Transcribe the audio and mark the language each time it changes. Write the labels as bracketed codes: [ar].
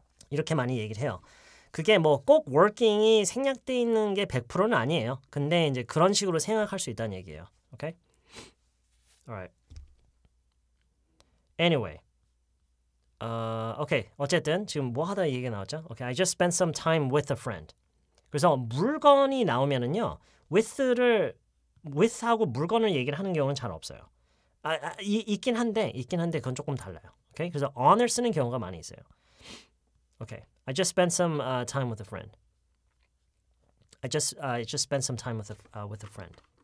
[ko] 이렇게 많이 얘기를 해요. 그게 뭐 꼭 working이 생략돼 있는 게 100%는 아니에요. 근데 이제 그런 식으로 생각할 수 있다는 얘기예요. [en] Okay? Alright. Anyway. Okay. [ko] 어쨌든 지금 뭐 하다 얘기가 나왔죠? [en] Okay. I just spent some time with a friend. [ko] 그래서 물건이 나오면은요, with하고 물건을 얘기를 하는 경우는 잘 없어요. 있긴 한데 그건 조금 달라요. [en] Okay? [ko] 그래서 on을 쓰는 경우가 많이 있어요. [en] Okay. I just spent some time with a friend. I just spent some time with a friend.